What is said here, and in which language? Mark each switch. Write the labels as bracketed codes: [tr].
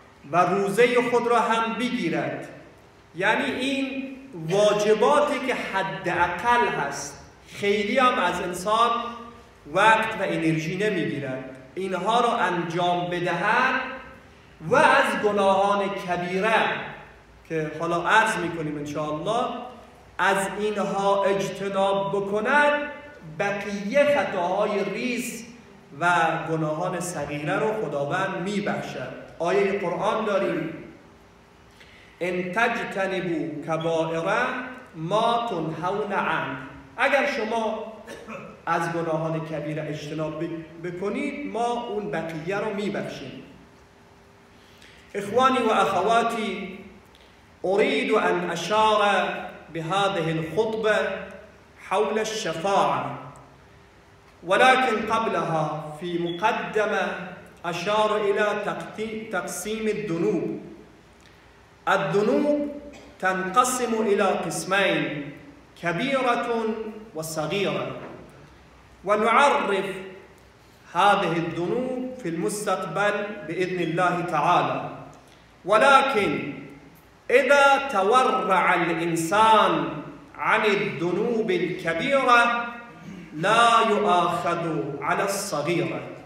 [fa] و روزه خود را هم بگیرد، یعنی این واجباتی که حداقل هست، خیلی هم از انسان وقت و انرژی نمیگیرد، اینها را انجام بدهد و از گناهان کبیره که حالا عرض میکنیم انشاءالله، از اینها اجتناب بکند، بقیه خطاهای ریز و گناهان صغیره رو خداوند میبخشد. آیه قرآن داریم: [ar] ان تجتنبوا کبائر ما تنهون عنه. [fa] اگر شما از گناهان کبیره اجتناب بکنید، ما اون بقیه رو میبخشیم. [ar] اخوانی و اخواتی، اريد ان اشار بهذه الخطبه حول الشفاعه، ولكن قبلها في مقدمه اشار الى تقسيم الذنوب. الذنوب تنقسم الى قسمين كبيره وصغيره ونعرف هذه الذنوب في المستقبل باذن الله تعالى ولكن اذا تورع الانسان عن الذنوب الكبيره لا يؤاخذ على الصغيره